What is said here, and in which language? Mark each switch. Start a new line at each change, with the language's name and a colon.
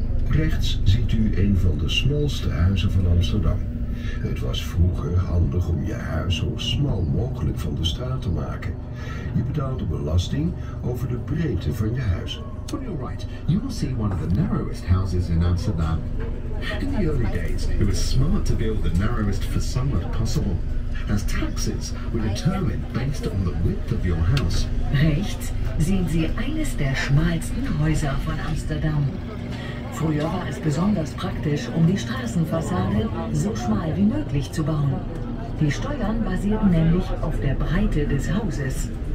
Dutch: rechts ziet u een van de smalste huizen van Amsterdam. Het was vroeger handig om je huis zo smal mogelijk van de straat te maken. Je betaalde belasting over de breedte van je huis.
English: On your right, you will see one of the narrowest houses in Amsterdam. In the early days, it was smart to build the narrowest façade possible, as taxes were determined based on the width of your house.
German: Rechts sehen Sie eines der schmalsten Häuser von Amsterdam. Früher war es besonders praktisch, um die Straßenfassade so schmal wie möglich zu bauen. Die Steuern basierten nämlich auf der Breite des Hauses.